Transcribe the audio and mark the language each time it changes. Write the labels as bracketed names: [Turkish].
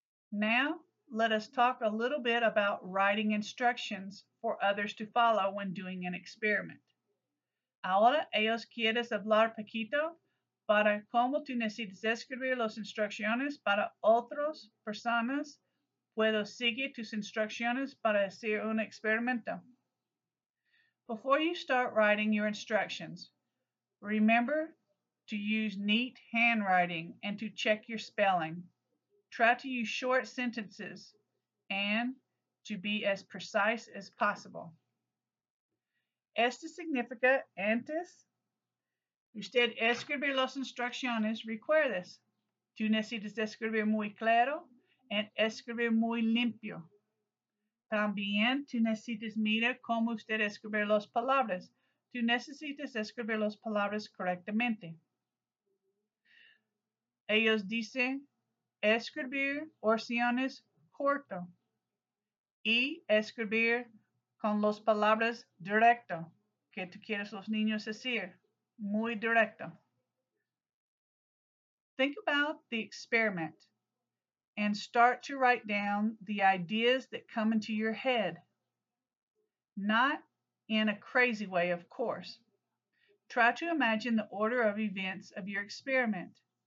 [English] Now, let us talk a little bit about writing instructions for others to follow when doing an experiment. [Spanish] Ahora, ellos quieren hablar poquito para cómo tú necesitas escribir las instrucciones para otras personas. Puedo seguir tus instrucciones para hacer un experimento. [English] Before you start writing your instructions, remember to use neat handwriting and to check your spelling. Try to use short sentences and to be as precise as possible. [Spanish] Esto significa antes, usted escribe las instrucciones, recuerdes. Tú necesitas escribir muy claro y escribir muy limpio. También tú necesitas mirar cómo usted escribe las palabras. Tú necesitas escribir las palabras correctamente. Ellos dicen escribir oraciones corto y escribir con las palabras directo, que tú quieres los niños decir, muy directo. [English] Think about the experiment and start to write down the ideas that come into your head. Not in a crazy way, of course. Try to imagine the order of events of your experiment.